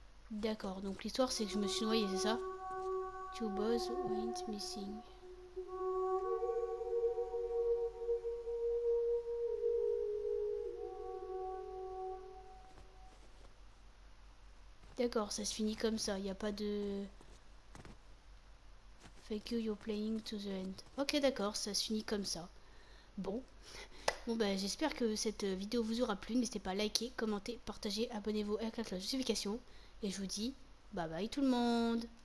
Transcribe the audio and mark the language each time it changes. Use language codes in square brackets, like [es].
[fr] D'accord, donc l'histoire c'est que je me suis noyé, c'est ça? [en] Two boys went missing. [fr] D'accord, ça se finit comme ça, il n'y a pas de. [en] Thank you, you're playing to the end. [fr] Ok, d'accord, ça se finit comme ça. Bon. Bon ben, j'espère que cette vidéo vous aura plu. N'hésitez pas à liker, commenter, partager, abonnez-vous et à la cloche de notification. Et je vous dis, bye bye tout le monde!